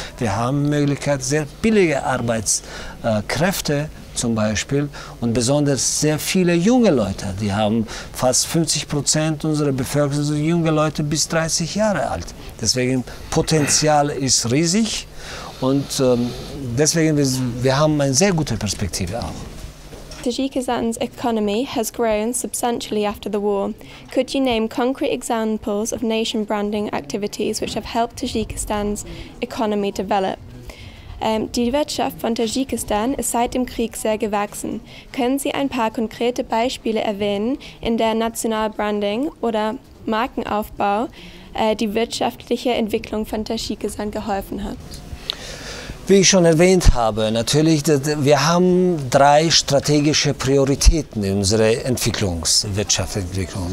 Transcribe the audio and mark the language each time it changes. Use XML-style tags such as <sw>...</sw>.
<de>Wir haben Möglichkeit, sehr billige Arbeitskräfte zum Beispiel und besonders sehr viele junge Leute. Die haben fast 50% unserer Bevölkerung, sind junge Leute bis 30 Jahre alt. Deswegen Potenzial ist riesig und deswegen wir haben eine sehr gute Perspektive auch.</de> <en>Tajikistan's economy has grown substantially after the war. Could you name concrete examples of nation branding activities which have helped Tajikistan's economy develop?</en> <de>Die Wirtschaft von Tajikistan ist seit dem Krieg sehr gewachsen. Können Sie ein paar konkrete Beispiele erwähnen, in der Nationalbranding oder Markenaufbau die wirtschaftliche Entwicklung von Tajikistan geholfen hat? Wie ich schon erwähnt habe, natürlich, wir haben drei strategische Prioritäten in unserer Entwicklungs- und Wirtschaftsentwicklung.</de>